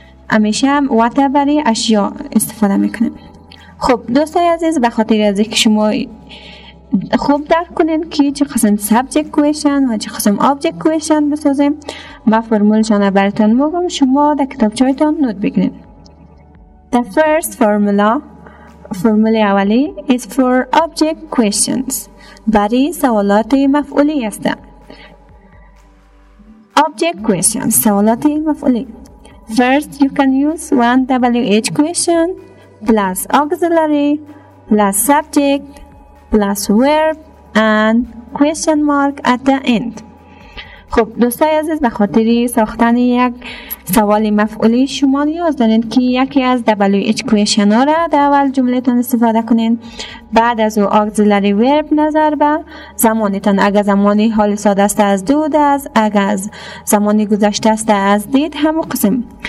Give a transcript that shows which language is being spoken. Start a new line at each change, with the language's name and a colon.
Persian: همیشه هم what برای اشیا استفاده میکنیم. خب دوستای عزیز، به خاطر از اینکه شما خوب درک کنین که چه قسم subject question و چه قسم object question بسازیم، ما فرمولشان را براتون میگم، شما در کتابچه‌تون نوت بگیرید.
English: The first formula،
Persian: فرمولی اولی
English: is for object questions،
Persian: برای سوالات مفعولی است.
English: Object questions،
Persian: سوالات مفعولی.
English: First you can use one WH question plus auxiliary plus subject plus verb and question mark at the end.
Persian: خب دوستای عزیز، به خاطر ساختن یک سوال مفعولی شما نیاز دارین که یکی از WH question ها را در اول جملتان استفاده کنین، بعد از او auxiliary verb نظر به زمانتان، اگر زمانی حال ساده است از دو دست، اگر از زمانی گذشته است از دید، همو قسم.